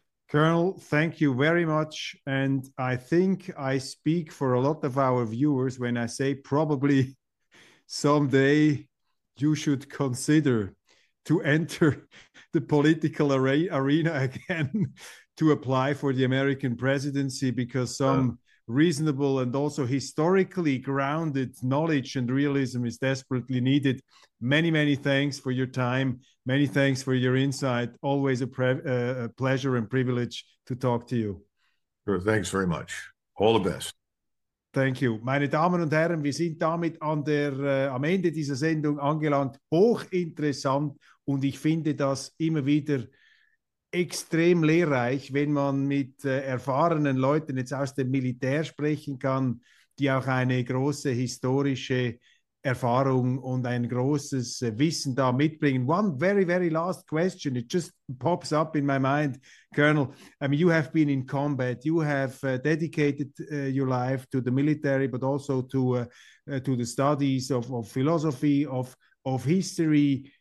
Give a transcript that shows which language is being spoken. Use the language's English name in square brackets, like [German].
[English] Colonel, thank you very much. And I think I speak for a lot of our viewers when I say probably someday you should consider to enter the political arena again to apply for the American presidency, because some reasonable and also historically grounded knowledge and realism is desperately needed. Many, many thanks for your time. Many thanks for your insight. Always a pleasure and privilege to talk to you. Sure, thanks very much. All the best. Thank you. [German] Meine Damen und Herren, wir sind damit am Ende dieser Sendung angelangt. Hochinteressant, und ich finde das immer wieder extrem lehrreich, wenn man mit erfahrenen Leuten jetzt aus dem Militär sprechen kann, die auch eine große historische Erfahrung und ein großes Wissen da mitbringen. [English] One very, very last question. It just pops up in my mind, Colonel. I mean, you have been in combat. You have dedicated your life to the military, but also to the studies of philosophy, of history.